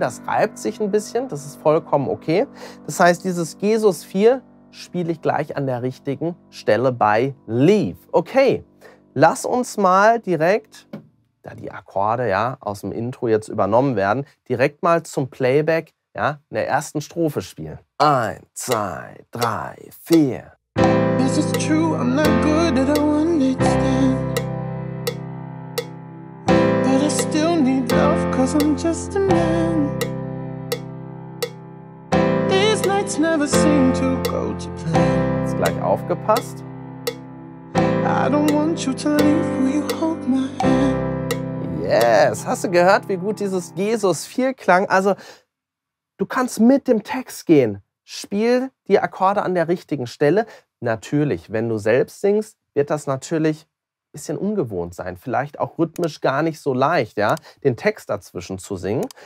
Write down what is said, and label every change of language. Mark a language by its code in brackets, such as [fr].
[de] Das reibt sich ein bisschen, das ist vollkommen okay. Das heißt, dieses G-Sus 4 spiele ich gleich an der richtigen Stelle bei Leave. Okay, lass uns mal direkt, da die Akkorde ja aus dem Intro jetzt übernommen werden, direkt mal zum Playback, ja, in der ersten Strophe spielen. 1, 2, 3, 4. [en] This is true, I'm not good at understanding. But I still need love, cause I'm just a man. These nights never seem to go to plan. [de] Ist gleich aufgepasst. [en] I don't want you to leave, will you hold my hand? [de] Yes, hast du gehört, wie gut dieses Jesus 4 klang? Also, du kannst mit dem Text gehen. Spiel die Akkorde an der richtigen Stelle. Natürlich, wenn du selbst singst, wird das natürlich ein bisschen ungewohnt sein. Vielleicht auch rhythmisch gar nicht so leicht, ja, den Text dazwischen zu singen.